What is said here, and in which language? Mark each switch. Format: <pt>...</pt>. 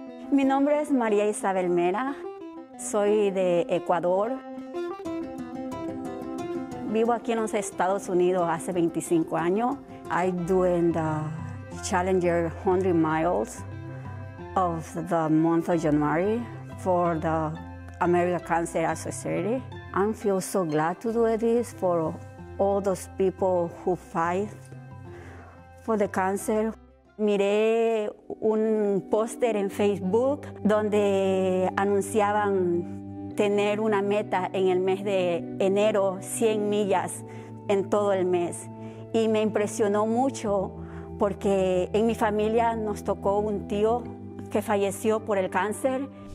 <es>Mi nombre es María Isabel Mera, soy de Ecuador. Vivo aquí en los Estados Unidos hace 25 años.</es> <en>I do in the Challenger 100 miles of the month of January for the American Cancer Society. I feel so glad to do this for all those people who fight for the cancer.</en> <es>Miré un póster en Facebook donde anunciaban tener una meta en el mes de enero, 100 millas en todo el mes. Y me impresionó mucho porque en mi familia nos tocó un tío que falleció por el cáncer.</es>